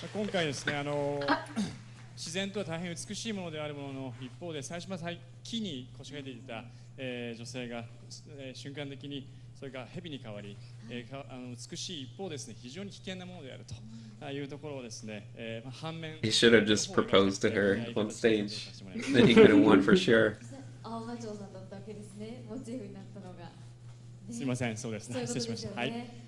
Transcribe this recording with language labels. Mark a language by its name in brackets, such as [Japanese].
[Japanese] 今回ですね、自然とは大変美しいものであるものの一方で、最初は木に腰掛けていた女性が瞬間的にそれが蛇に変わり、美しい一方ですね、非常に危険なものであるというところをですね、反面。 [English] He should have just proposed to her on stage. Then he could have won for sure. [Japanese] 青葉城さんだったわけですね、モチーフになったのが。すみません、そうですね、失礼しました。はい。